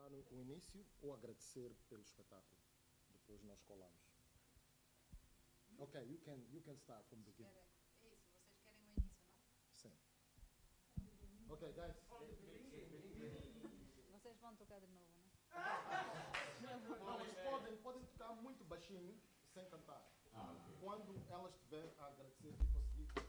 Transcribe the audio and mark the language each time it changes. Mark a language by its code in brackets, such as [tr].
[pt] O início ou agradecer pelo espetáculo. Depois nós colamos. [en] Ok, you can start from the beginning. [pt] É isso, vocês querem o início, não? Sim. [en] Ok, guys. [pt] Vocês vão tocar de novo, não? Não, mas podem tocar muito baixinho, sem cantar. Ah, quando elas estiverem a agradecer, tipo assim.